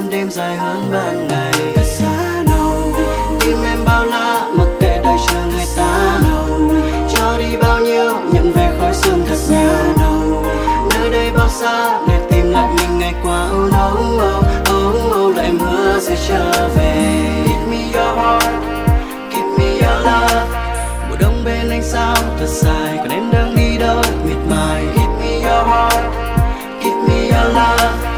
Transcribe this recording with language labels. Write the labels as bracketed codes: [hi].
[vi] Dài hơn ban ngày xa đâu, tim em bao la mặc kệ đời chờ người ta đâu. Cho đi bao nhiêu nhận về khói sương thật nhiều đâu. Nơi đây bao xa để tìm lại mình ngày qua. Oh oh oh oh oh, lại mưa sẽ trở về. [en] Give me your heart, give me your love. [vi] Mùa đông bên anh sao thật dài, còn em đang đi đâu miệt mài. [en] Give me your heart, give me your love.